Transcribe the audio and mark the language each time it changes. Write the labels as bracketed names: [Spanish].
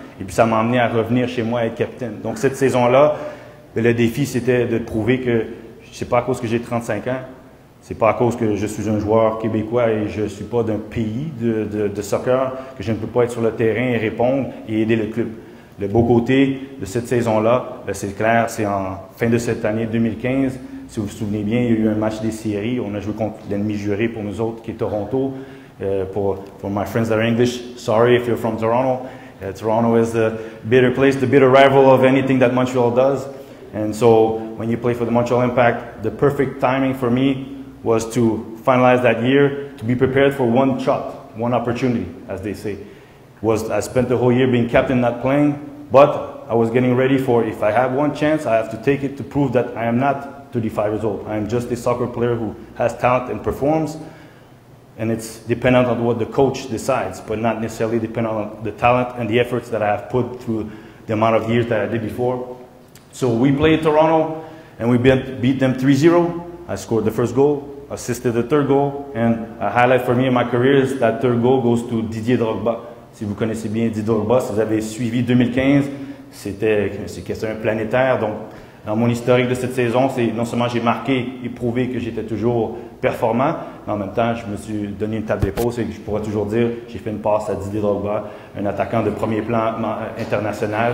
[French] Et puis, ça m'a amené à revenir chez moi, à être capitaine. Donc, cette saison-là, le défi, c'était de prouver que c'est pas à cause que j'ai 35 ans, c'est pas à cause que je suis un joueur québécois et je suis pas d'un pays de soccer que je ne peux pas être sur le terrain et répondre et aider le club. Le beau côté de cette saison-là, bien, c'est clair, c'est en fin de cette année 2015. Si vous vous souvenez bien, il y a eu un match des séries. On a joué contre l'ennemi juré pour nous autres, qui est Toronto. [English] Pour my friends that are English, sorry if you're from Toronto. Toronto is the bitter place, the bitter rival of anything that Montreal does. And so, when you play for the Montreal Impact, the perfect timing for me was to finalize that year, to be prepared for one shot, one opportunity, as they say. I spent the whole year being captain, not playing, but I was getting ready for, if I have one chance, I have to take it to prove that I am not 35 years old. I am just a soccer player who has talent and performs, and it's dependent on what the coach decides, but not necessarily dependent on the talent and the efforts that I have put through the amount of years that I did before. So we played Toronto, and we beat them 3-0. I scored the first goal, assisted the third goal, and a highlight for me in my career is that third goal goes to Didier Drogba. [French] Si vous connaissez bien Didier Drogba, si vous avez suivi 2015, c'est un planétaire. Donc, dans mon historique de cette saison, c'est non seulement j'ai marqué et prouvé que j'étais toujours performant, mais en même temps, je me suis donné une table d'épaule. C'est que je pourrais toujours dire, j'ai fait une passe à Didier Drogba, un attaquant de premier plan international.